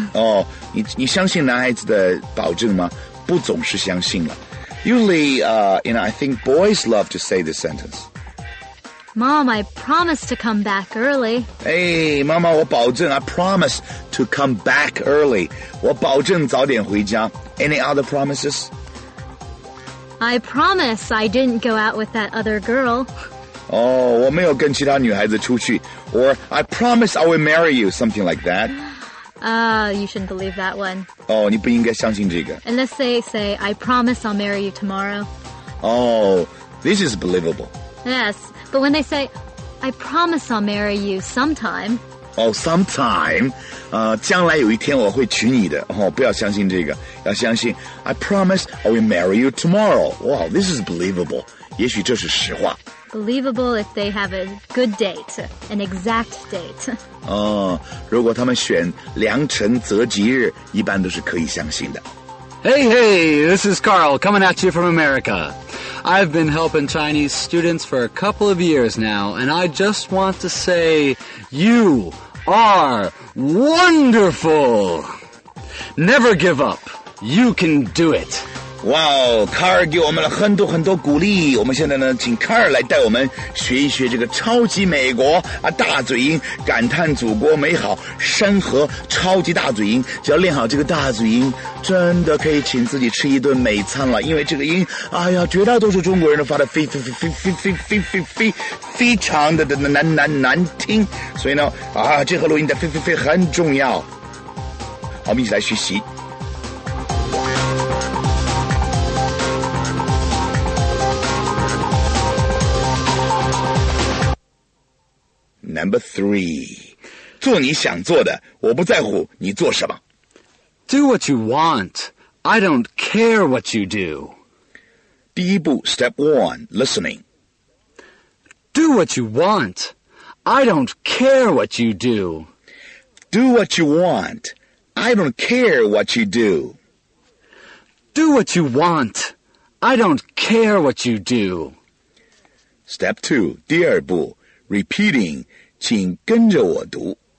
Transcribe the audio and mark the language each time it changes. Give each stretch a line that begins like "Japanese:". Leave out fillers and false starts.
English: 哦、oh,
Chinese: 你相信男孩子的保证吗不总是相信了
English: Usually you know, I think boys love to say this sentence Mom, I promise to come back early. Hey,
Chinese: 妈妈，我保证
English: I promise to come back early.
Chinese: 我保证早点回家
English: Any other promises? I promise I didn't go out with that other girl. Oh,
Chinese: 我没有跟其他女孩子出去
English: Or I promise I will marry you, something like that. You shouldn't believe that one.
Chinese: Oh, 你不应该相信这个
English: Unless they say, I promise I'll marry you tomorrow. Oh, this is believable. Yes. But when they say, I promise I'll marry you sometime. Oh, sometime.
Chinese: 将来有一天我会娶你的。哦，不要相信这个。要相信
English: I promise I will marry you tomorrow. Wow, this is believable.
Chinese: 也许这是实话。
English: Believable if they have a good date, an exact date.
Chinese: 如果他们选良辰择吉日，一般都是可以相信的。
English: Hey, hey, this is Carl coming at you from America. I've been helping Chinese students for a couple of years now, and I just want to say you are wonderful. Never give up. You can do it.
Chinese: Wow, Carl 给我们了很多很多鼓励。我们现在呢，请 Carl 来带我们学一学这个超级美国啊，大嘴音，感叹祖国美好，山河超级大嘴音。只要练好这个大嘴音，真的可以请自己吃一顿美餐了。因为这个音，哎呀，绝大多数中国人都发的非非非非非非非非非非常的难听。所以呢，啊，这盒录音的非非非很重要。好，我们一起来学习。
English: Number three,
Chinese: 做你想做的，我不在乎你做什么。
English: Do what you want. I don't care what you do.
Chinese: 第一步
English: step one, listening. Do what you want. I don't care what you do. Do what you want. I don't care what you do. Do what you want. I don't care what you do.
Chinese: Step 2, 第二步, repeating, 请跟着我读。